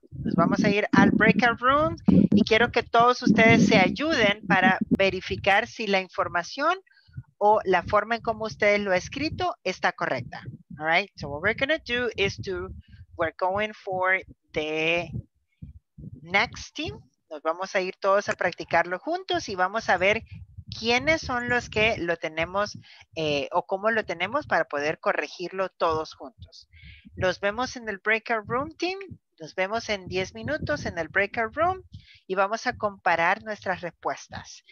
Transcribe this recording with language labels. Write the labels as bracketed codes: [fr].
[es] Nos vamos a ir al breakout room y quiero que todos ustedes se ayuden para verificar si la información o la forma en cómo ustedes lo han escrito está correcta. [en] All right, so what we're going to do is to, we're going for the next team. [es] Nos vamos a ir todos a practicarlo juntos y vamos a ver quiénes son los que lo tenemos o cómo lo tenemos para poder corregirlo todos juntos. Nos vemos en el breakout room, team. Nos vemos en 10 minutos en el breakout room y vamos a comparar nuestras respuestas.